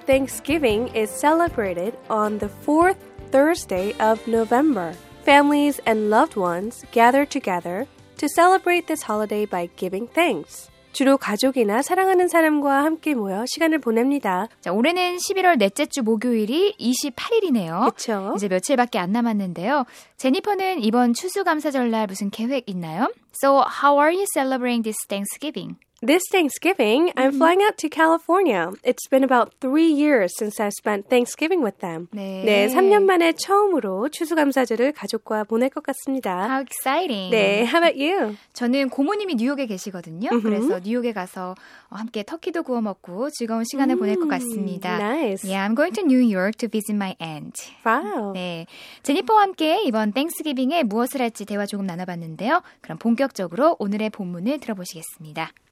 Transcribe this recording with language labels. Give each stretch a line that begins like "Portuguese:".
English: Thanksgiving is celebrated on the fourth Thursday of November. Families and loved ones gather together to celebrate this holiday by giving thanks.
Korean: 주로 가족이나 사랑하는 사람과 함께 모여 시간을 보냅니다. 자, 올해는 11월 넷째 주 목요일이 28일이네요. 그렇죠. 이제 며칠밖에 안 남았는데요. 제니퍼는 이번 추수감사절날 무슨 계획 있나요?
English: So, how are you celebrating this Thanksgiving? This Thanksgiving, I'm flying out to California. It's been about 3 years since I spent Thanksgiving with them.
Korean: 네. 네, 3년 만에 처음으로 추수감사절을 가족과 보낼 것 같습니다.
English: How exciting. 네, how about you?
Korean: 저는 고모님이 뉴욕에 계시거든요.
English: Mm-hmm.
Korean: 그래서 뉴욕에 가서 함께 터키도 구워 먹고 즐거운 시간을 보낼 것 같습니다.
English: Nice. Yeah, I'm going to New York to visit my aunt. Wow.
Korean: 네, 제니퍼와 함께 이번 Thanksgiving에 무엇을 할지 대화 조금 나눠봤는데요. 그럼 본격적으로 오늘의 본문을 들어보시겠습니다.